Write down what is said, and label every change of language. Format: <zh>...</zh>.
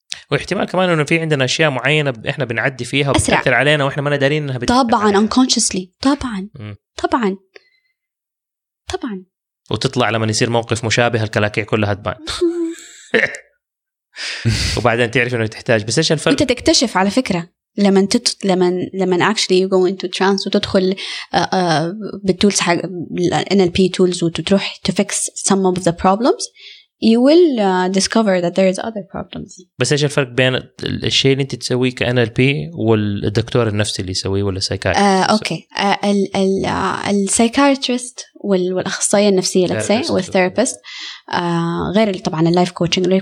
<ar>واحتمال كمان انه في عندنا اشياء معينه احنا بنعدي فيها بتاثر علينا واحنا ما دارين انها طبعا unconsciously طبعا طبعا طبعا، وتطلع لما يصير موقف مشابه الكلاكيع كلها تبان وبعدين تعرف انه تحتاج. بس ايش الفرق؟ انت تكتشف على فكره لما</ar> <en>actually you go into trance</en> <ar>وتدخل بالtools حق NLP tools وتروح</ar> <en>to fix some of the problems you will discover that there is other problems.</en> <ar>بس ايش الفرق بين الشيء اللي انت تسويه ك NLP والدكتور النفسي اللي يسويه ولا سايكاتريست؟ اوكي السايكاتريست والاخصائيه النفسيه</ar> <en>let's say</en> <ar>والثيرابيست غير طبعا اللايف كوتشنج.</ar>